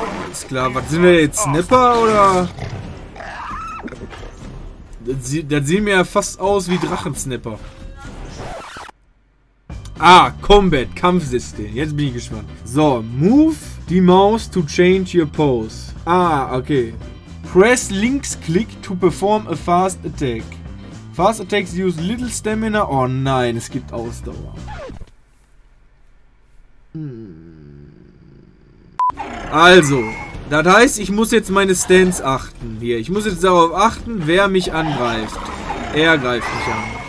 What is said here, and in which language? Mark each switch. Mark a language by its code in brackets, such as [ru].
[de] Ist klar, was sind wir jetzt? Snapper oder? Das sehen wir ja fast aus wie Drachensnapper. Ah, Combat, Kampfsystem. Jetzt bin ich gespannt. [en] So, move the mouse to change your pose. Ah, okay. Press Linksklick to perform a fast attack. Fast Attacks use little stamina. [de] Oh nein, es gibt Ausdauer. Also, das heißt, ich muss jetzt meine Stance achten hier. Ich muss jetzt darauf achten, wer mich angreift. Er greift mich an.